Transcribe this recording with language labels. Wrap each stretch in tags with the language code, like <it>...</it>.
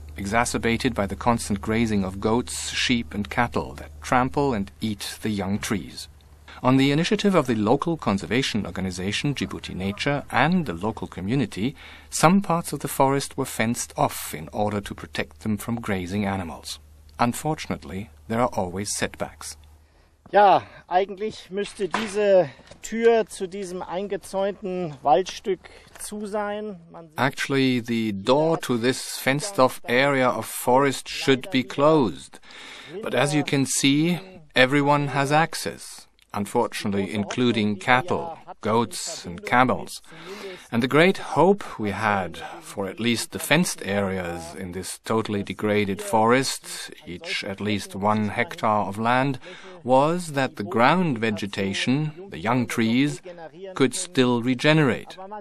<en>exacerbated by the constant grazing of goats, sheep, and cattle that trample and eat the young trees. On the initiative of the local conservation organization, Djibouti Nature, and the local community, some parts of the forest were fenced off in order to protect them from grazing animals. Unfortunately, there are always setbacks.</en> <de>Ja, eigentlich müsste diese Tür zu diesem eingezäunten Waldstück zu sein.</de> <en>Actually, the door to this fenced-off area of forest should be closed. But as you can see, everyone has access, unfortunately, including cattle, goats and camels. And the great hope we had for at least the fenced areas in this totally degraded forest, each at least 1 hectare of land, was that the ground vegetation, the young trees, could still regenerate.</en>